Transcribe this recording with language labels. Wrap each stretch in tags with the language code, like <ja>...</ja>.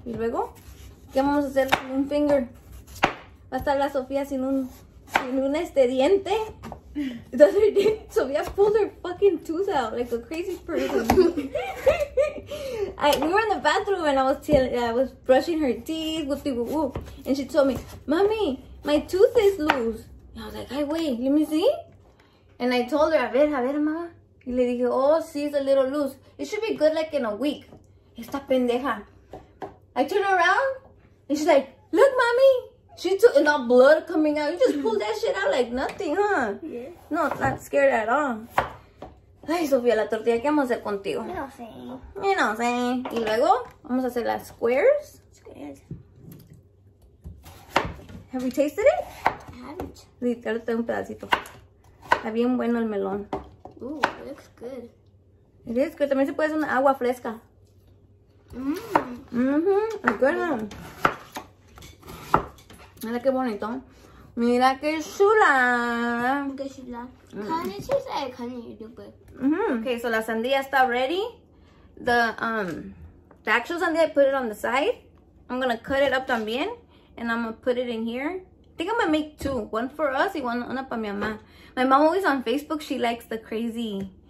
<es>Y luego, ¿qué vamos a hacer con un finger? Va a estar la Sofía sin un este diente.</es> <en>The other day, Sofia pulled her fucking tooth out like a crazy person. We were in the bathroom and I was brushing her teeth with people, woo, and she told me, "Mommy, my tooth is loose." And I was like, "Ay, wait, let me see." And I told her, a ver, mama.</en> <es>Y le dije, "Oh, sí,</es> <en>it's a little loose. It should be good like in a week."</en> <es>Esta pendeja.</es> <en>I turn around and she's like, "Look, mommy." She took and all blood coming out. You just pulled that shit out like nothing, huh? Yeah. No, not scared at all.</en> <es>Ay, Sofía, la tortilla, ¿qué vamos a hacer contigo? No sé. Y luego, vamos a hacer las squares.</es> <en>Have you tasted it? I haven't.</en> <es>Sí, ahora tengo un pedacito. Está bien bueno el melón.</es> <en>Ooh, it looks good. It is good.</en> <es>También se puede hacer una agua fresca. Mmm.</es> <en>Mm-hmm. It's good, huh?</en> <es>Mira qué bonito. Mira qué chula. Qué chula.</es> <en>Can you choose it? Can you do it? Okay, so</en> <es>la sandía está</es> <en>ready. The actual sandía, I put it on the side. I'm gonna cut it up también. And I'm gonna put it in here. I think I'm gonna make two. One for us</en> <es>y una para mi mamá.</es> <en>My mom always on Facebook, she likes the crazy.</en>